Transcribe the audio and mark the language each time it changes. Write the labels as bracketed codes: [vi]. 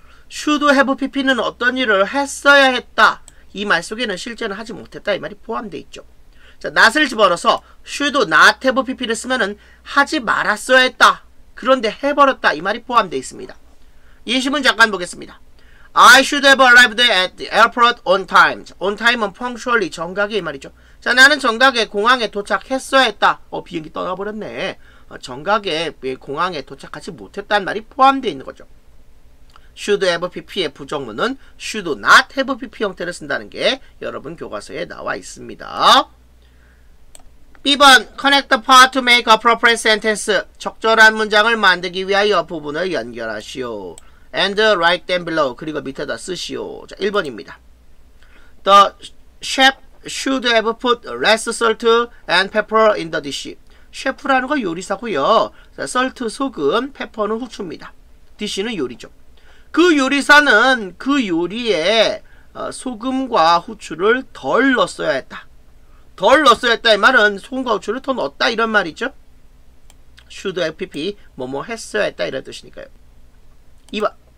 [ko] should have PP는 어떤 일을 했어야 했다. 이 말 속에는 실제는 하지 못했다. 이 말이 포함되어 있죠. 자, not을 집어넣어서 should not have PP를 쓰면은 하지 말았어야 했다. 그런데 해버렸다. 이 말이 포함되어 있습니다. 예시문 잠깐 보겠습니다. [en] I should have arrived at the airport on time. [ko] on time은 punctually, 정각에 이 말이죠. 자, 나는 정각에 공항에 도착했어야 했다. 비행기 떠나버렸네. 정각에 공항에 도착하지 못했다는 말이 포함되어 있는 거죠. should have PP의 부정문은 should not have PP 형태를 쓴다는 게 여러분 교과서에 나와 있습니다. [en] B번, connect the part to make appropriate sentence. [ko] 적절한 문장을 만들기 위하여 부분을 연결하시오. [en] And write them below. [ko] 그리고 밑에다 쓰시오. 자, 1번입니다. [en] The chef should have put less salt and pepper in the dish. [ko] 셰프라는 거 요리사고요. 자, salt, 소금, pepper는 후추입니다. dish는 요리죠. 그 요리사는 그 요리에 소금과 후추를 덜 넣었어야 했다. 덜 넣었어야 했다. 이 말은 소금과 후추를 더 넣었다. 이런 말이죠. should have PP, 뭐뭐 했어야 했다. 이런 뜻이니까요. 2번.